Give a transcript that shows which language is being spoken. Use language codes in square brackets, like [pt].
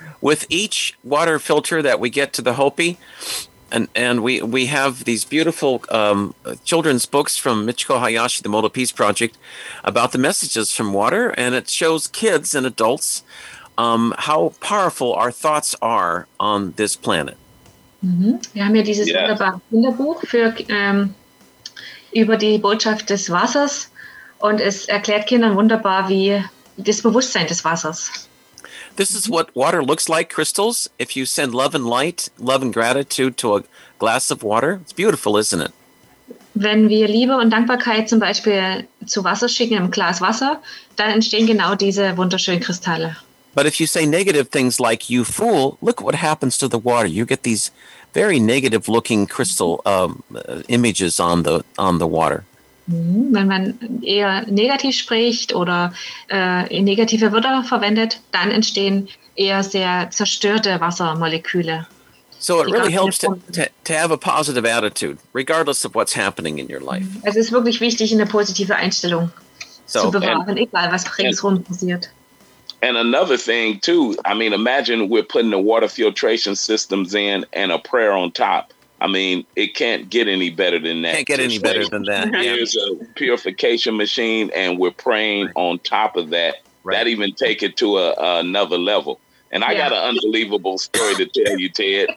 [en] With each water filter that we get to the Hopi, and we have these beautiful children's books from Michiko Hayashi, the Modal Peace Project, about the messages from water, and it shows kids and adults how powerful our thoughts are on this planet. [de] Mm-hmm. Wir haben ja dieses wunderbare Kinderbuch für über die Botschaft des Wassers, und es erklärt Kindern wunderbar, wie das Bewusstsein des Wassers. [en] This is what water looks like, crystals. If you send love and light, love and gratitude to a glass of water, it's beautiful, isn't it? [de] Wenn wir Liebe und Dankbarkeit zum Beispiel zu Wasser schicken, im Glas Wasser, dann entstehen genau diese wunderschönen Kristalle. [en] But if you say negative things like, you fool, look what happens to the water. You get these very negative looking crystal images on the water. [de] Wenn man eher negativ spricht oder negative Wörter verwendet, dann entstehen eher sehr zerstörte Wassermoleküle. [en] So it really helps to have a positive attitude, regardless of what's happening in your life. [de] Es ist wirklich wichtig, eine positive Einstellung zu bewahren, egal was ringsherum passiert. [en] And another thing too, I mean, imagine we're putting the water filtration systems in and a prayer on top. I mean, it can't get any better than that. Can't get any better than that. There's a purification machine, and we're praying on top of that. Right. That even take it to another level. And I got an unbelievable story to tell you, Ted.